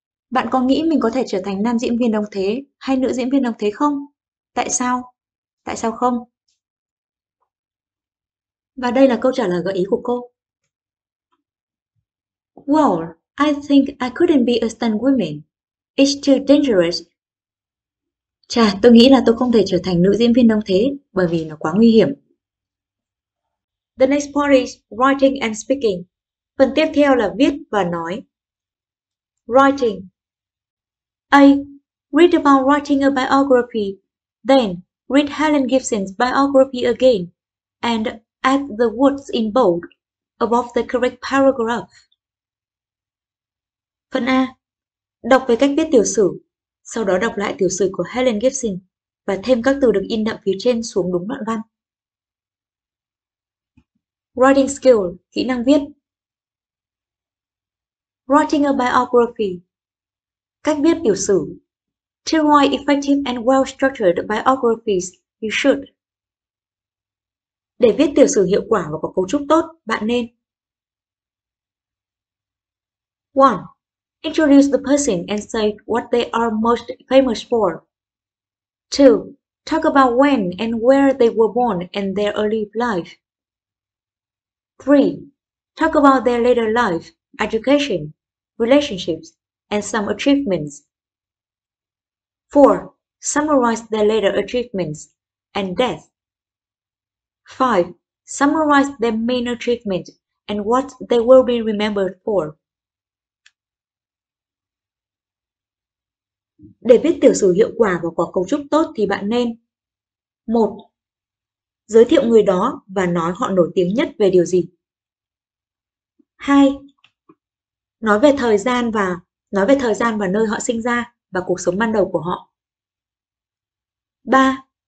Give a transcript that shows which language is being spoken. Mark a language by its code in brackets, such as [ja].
[vi] Bạn có nghĩ mình có thể trở thành nam diễn viên đóng thế hay nữ diễn viên đóng thế không? Tại sao? Tại sao không? Và đây là câu trả lời gợi ý của cô. [en] Well, I think I couldn't be a stuntwoman. It's too dangerous. [vi] Chà, tôi nghĩ là tôi không thể trở thành nữ diễn viên đóng thế bởi vì nó quá nguy hiểm. [en] The next part is writing and speaking. [vi] Phần tiếp theo là viết và nói. [en] Writing. A. Read about writing a biography. Then, read Helen Gibson's biography again and add the words in bold above the correct paragraph. [vi] Phần A. Đọc về cách viết tiểu sử, sau đó đọc lại tiểu sử của Helen Gibson và thêm các từ được in đậm phía trên xuống đúng đoạn văn. [en] Writing skill, [vi] kỹ năng viết. [en] Writing a biography, [vi] cách viết tiểu sử. [en] To write effective and well-structured biographies, you should. [vi] Để viết tiểu sử hiệu quả và có cấu trúc tốt, bạn nên. 1. [en] Introduce the person and say what they are most famous for. 2. Talk about when and where they were born and their early life. 3. Talk about their later life, education, relationships, and some achievements. 4. Summarize their later achievements and death. 5. Summarize their main achievement and what they will be remembered for. [vi] Để viết tiểu sử hiệu quả và có cấu trúc tốt thì bạn nên 1. Giới thiệu người đó và nói họ nổi tiếng nhất về điều gì. 2. Nói về thời gian và nơi họ sinh ra và cuộc sống ban đầu của họ. 3.